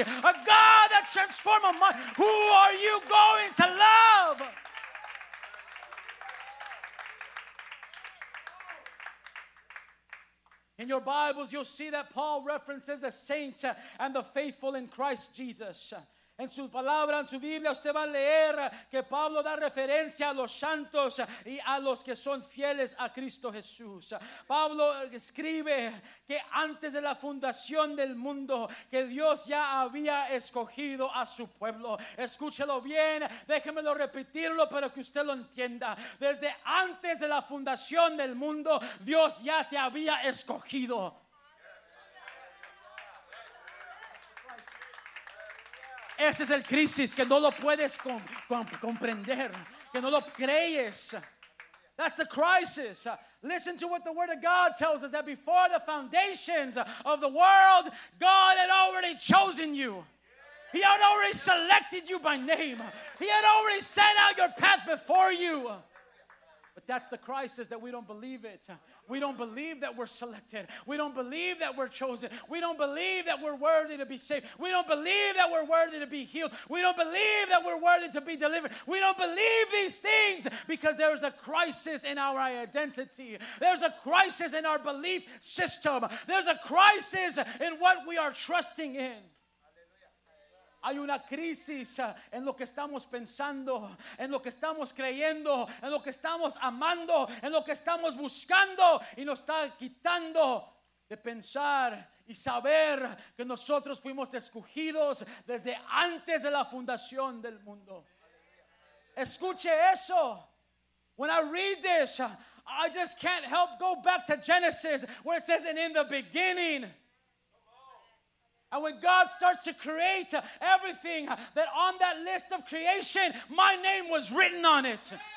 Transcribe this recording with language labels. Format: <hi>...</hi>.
<en>A God that transformed a mind. Who are you going to love? In your Bibles, you'll see that Paul references the saints and the faithful in Christ Jesus.</en> <es>En su palabra, en su Biblia, usted va a leer que Pablo da referencia a los santos y a los que son fieles a Cristo Jesús. Pablo escribe que antes de la fundación del mundo, que Dios ya había escogido a su pueblo. Escúchelo bien, déjemelo repetirlo para que usted lo entienda. Desde antes de la fundación del mundo, Dios ya te había escogido. Ese es el crisis, que no lo puedes comprender, que no lo crees.</es> <en>That's the crisis. Listen to what the Word of God tells us, that before the foundations of the world, God had already chosen you. He had already selected you by name. He had already set out your path before you. But that's the crisis, that we don't believe it. We don't believe that we're selected. We don't believe that we're chosen. We don't believe that we're worthy to be saved. We don't believe that we're worthy to be healed. We don't believe that we're worthy to be delivered. We don't believe these things because there is a crisis in our identity. There's a crisis in our belief system. There's a crisis in what we are trusting in.</en> <es>Hay una crisis en lo que estamos pensando, en lo que estamos creyendo, en lo que estamos amando, en lo que estamos buscando, y nos está quitando de pensar y saber que nosotros fuimos escogidos desde antes de la fundación del mundo. Escuche eso.</es> <en>When I read this, I just can't help go back to Genesis where it says, and in the beginning. And when God starts to create everything, that on that list of creation, my name was written on it.</en>